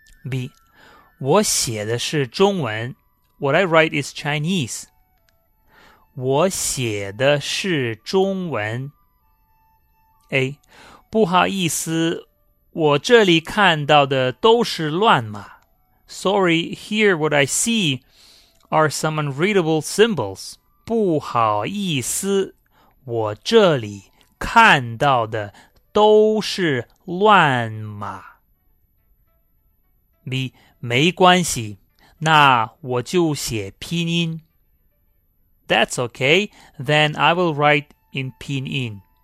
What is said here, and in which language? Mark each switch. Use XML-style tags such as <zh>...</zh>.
<zh>B. 我写的是中文</zh> <en>What I write is Chinese.</en> <zh>我写的是中文</zh> <en>A.</en> <zh>不好意思我这里看到的都是乱码。</zh> <en>Sorry, here what I see are some unreadable symbols.</en> <zh>不好意思,我这里看到的都是乱码。 B, 没关系,那我就写拼音。</zh> <en>That's okay, then I will write in 拼音。</en>